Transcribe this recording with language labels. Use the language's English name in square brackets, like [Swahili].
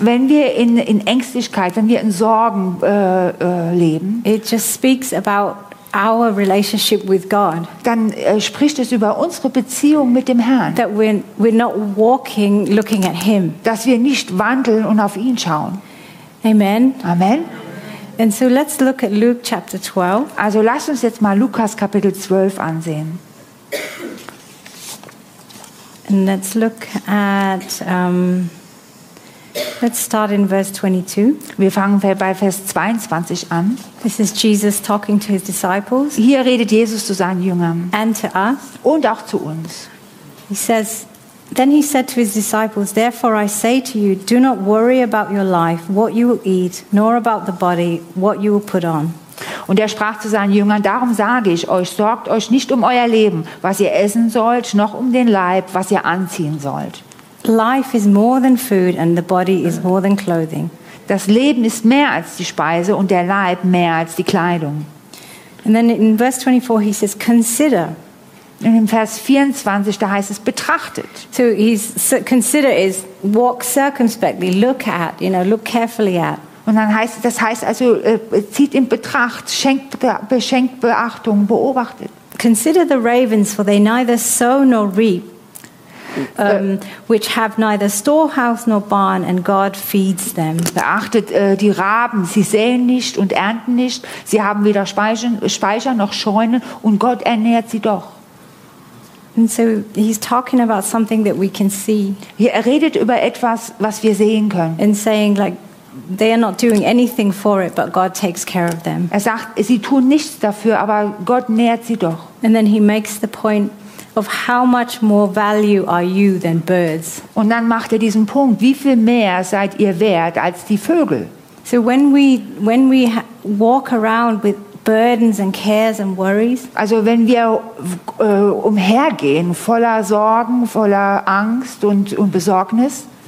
[German] wenn wir in Ängstlichkeit, wenn wir in Sorgen leben, [English] it just speaks about our relationship with God. [German] Dann spricht es über unsere Beziehung mit dem Herrn. [English] That we're not walking looking at him. [German] Dass wir nicht wandeln und auf ihn schauen. [English] Amen. [German] Amen. [English] And so let's look at Luke chapter 12. [German] Also lasst uns jetzt mal Lukas Kapitel 12 ansehen. [English] And let's look at let's start in verse 22. [German] Wir fangen bei Vers 22 an. [English] This is Jesus talking to his disciples. [German] Hier redet Jesus zu seinen Jüngern. [English] And to us. [German] Und auch zu uns. [English] He says, then he said to his disciples, therefore I say to you, do not worry about your life, what you will eat, nor about the body, what you will put on. [German] Und er sprach zu seinen Jüngern, darum sage ich euch, sorgt euch nicht um euer Leben, was ihr essen sollt, noch um den Leib, was ihr anziehen sollt. [English] Life is more than food and the body is more than clothing. [German] Das Leben ist mehr als die Speise und der Leib mehr als die Kleidung. [English] And then in verse 24 he says, consider. [German] Und in Vers 24 da heißt es, betrachtet. [English] So he's, consider is walk circumspectly, look at, you know, look carefully at. [German] Und dann heißt es, das heißt also, zieht in Betracht, schenkt Beachtung, beobachtet. [English] Consider the ravens, for they neither sow nor reap. Which have neither storehouse nor barn, and God feeds them. [German] Beachtet die Raben, sie säen nicht und ernten nicht, sie haben weder Speicher noch Scheunen, und Gott ernährt sie doch. [English] And so he's talking about something that we can see. [German] Hier, er redet über etwas, was wir sehen können. [English] And saying like, they are not doing anything for it, but God takes care of them. [German] Er sagt, sie tun nichts dafür, aber Gott nährt sie doch. [English] And then he makes the point of how much more value are you than birds. [German] Und dann macht er diesen Punkt, wie viel mehr seid ihr wert als die Vögel. [English] So when we walk around with burdens and cares and worries, [German] also wenn wir umhergehen voller Sorgen, voller Angst und Besorgnis,